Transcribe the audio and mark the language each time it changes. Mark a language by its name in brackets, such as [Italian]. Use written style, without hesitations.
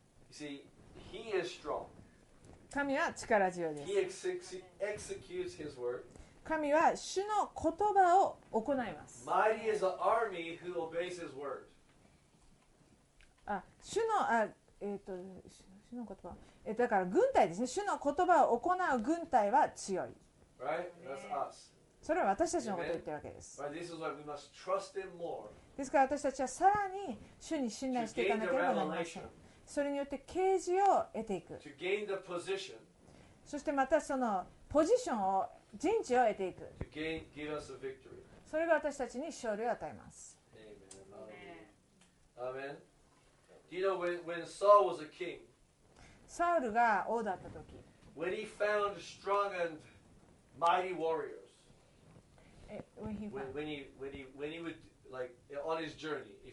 [English] See? He is strong. [Japanese] 神は力強いです。 [English] He executes his word. [Japanese] 神は主の言葉を行います。 [English] Mighty is the army who obeys his word. [Japanese] 主の言葉。だから軍隊ですね。主の言葉を行う軍隊は強い。 [English] Right? That's us. [Japanese] それは私たちのことを言っているわけです。 [English] Right? This is why we must trust him more. [Japanese] ですから私たちはさらに主に信頼していかなければなりません。それによって啓示を得ていく [English] to gain the position. [Japanese] そしてまたそのポジションを陣地を得ていく [English] to gain, give us a victory. [Japanese] それが私たちに勝利を与えます [English] Amen. Amen. Do you know when Saul was a king, [Japanese] サウルが王だった時 [English] when he found strong and mighty warriors, when he would like on his journey.